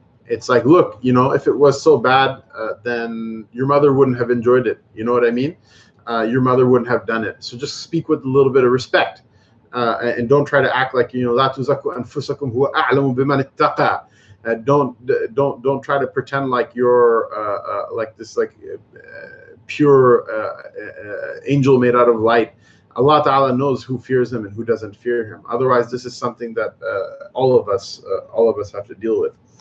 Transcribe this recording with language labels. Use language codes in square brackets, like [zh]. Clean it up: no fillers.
[en] It's like, look, you know, if it was so bad, then your mother wouldn't have enjoyed it. You know what I mean? Your mother wouldn't have done it. So just speak with a little bit of respect. And don't try to act like, you know, [ar] لا تزكوا أنفسكم هو أعلم بمن اتقى. [en] Don't try to pretend like you're this pure angel made out of light. Allah Ta'ala knows who fears Him and who doesn't fear Him. Otherwise, this is something that all of us have to deal with.